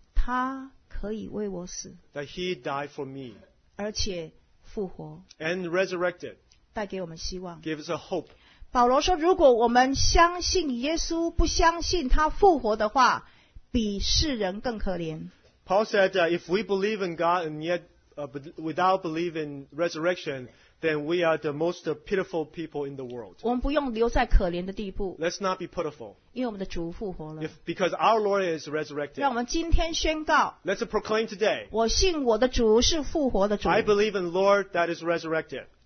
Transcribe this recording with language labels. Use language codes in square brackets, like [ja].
[zh] 他可以为我死 [en] That he died for me. [zh] 而且复活 [en] And resurrected. [zh] 带给我们希望 [en] Give us a hope. [zh] 保罗说如果我们相信耶稣不相信他复活的话比世人更可怜 [en] Paul said if we believe in God and yet without believing resurrection then we are the most pitiful people in the world. [zh] 我们不用留在可怜的地步 [en] Let's not be pitiful. [zh] 因为我们的主复活了 [en] Because our Lord is resurrected. [zh] 让我们今天宣告 [en] Let's proclaim today. [zh] 我信我的主是复活的主 [en] I believe in the Lord that is resurrected.